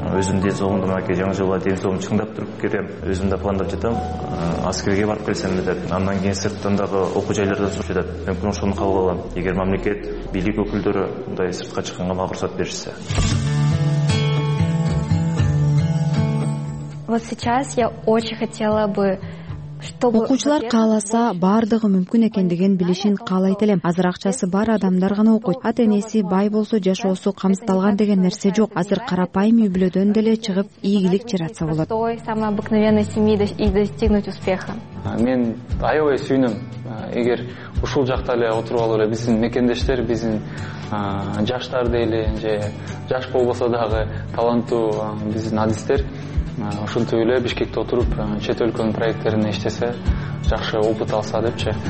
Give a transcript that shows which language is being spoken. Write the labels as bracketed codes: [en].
[ky] Өзүм ден соолугумду мынакей жаңы жылда ден соолугумду чыңдап туруп келем. Өзүм да пландап жатам, аскерге барып келсем деп. Андан кийин сырттан дагы окуу жайлардан сурап жатат. Мен бул ошону кабыл алам. Эгер мамлекет, бийлик өкүлдөрү мындай сыртка чыкканга мага уруксат беришсе. [ru] Вот сейчас я очень хотела бы [ky] окуучулар кааласа баардыгы мүмкүн экендигин билишин каалайт элем. Азыр акчасы бар адамдар гана окуйт. Ата энеси бай болсо жашоосу камсыздалган деген нерсе жок. Азыр карапайым үй бүлөдөн деле чыгып ийгилик жаратса болот. [ru] Той самой обыкновенной семьи и достигнуть успеха. [ky] Мен аябай сүйүнөм. Эгер ушул жакта эле отуруп алып эле биздин мекендештер, биздин жаштар дейли же жаш болбосо дагы таланттуу биздин адистер ошентип эле Бишкекте отуруп чет өлкөнүн проекттерине иштесе жакшы опыт алса депчи.